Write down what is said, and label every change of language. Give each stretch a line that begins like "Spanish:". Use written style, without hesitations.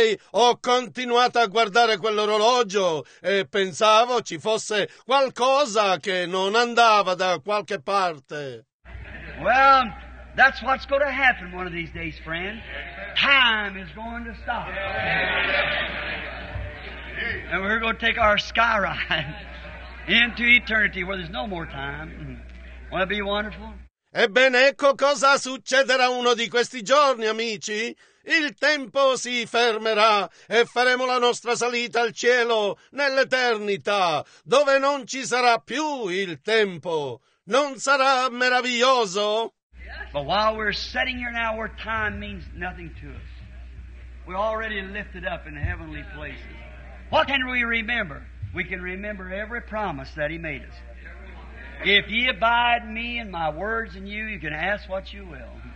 Italian: Ho continuato a guardare quell'orologio e pensavo ci fosse qualcosa che non andava da qualche parte.
English: Well, that's what's going to happen one of these days, friend. Time is going to stop. And we're going to take our sky ride. Into eternity where there's no more time. Won't it be wonderful?
Italian: Ebbene, ecco cosa succederà uno di questi giorni, amici. Il tempo si fermerà e faremo la nostra salita al cielo nell'eternità, dove non ci sarà più il tempo. Non sarà meraviglioso?
English: But while we're sitting here now, where time means nothing to us, we're already lifted up in heavenly places. What can we remember? We can remember every promise that He made us. If ye abide in me and my words in you, you can ask what you will.